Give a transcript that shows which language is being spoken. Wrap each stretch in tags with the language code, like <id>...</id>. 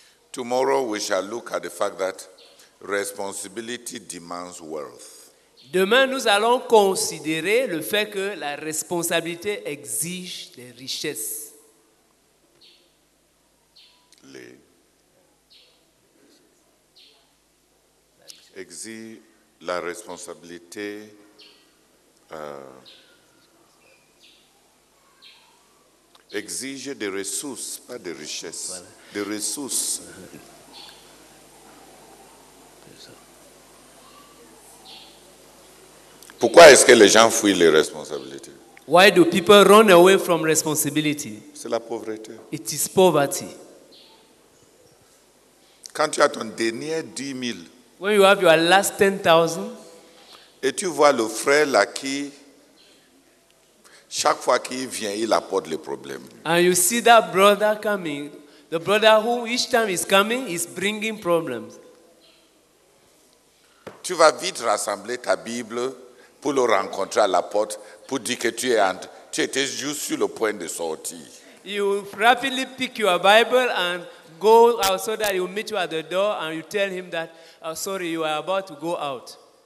<en>Tomorrow we shall look at the fact that responsibility demands wealth.</en> <fr>Demain, nous allons considérer le fait que la responsabilité exige des richesses. Exige la responsabilité exige des ressources, pas des richesses. Voilà. Des ressources. Pourquoi est-ce que les gens fuient les responsabilités?</fr> <en>Why do people run away from responsibility?</en> <fr>C'est la pauvreté.</fr> <en>It is poverty.</en> <fr>Quand tu as ton dernier 10 000,</fr> <en>when you have your last 10,000,</en> <fr>et tu vois le frère là qui, chaque fois qu'il vient, il apporte les problèmes.</fr> <en>And you see that brother coming, the brother who each time is coming is bringing problems.</en> <fr>Tu vas vite rassembler ta Bible pour le rencontrer à la porte pour dire que tu étais juste sur le point de sortir.</fr> <en>You rapidly pick your Bible and go out so that he'll meet you at the door and you tell him that, oh, sorry, you are about to go out.</en>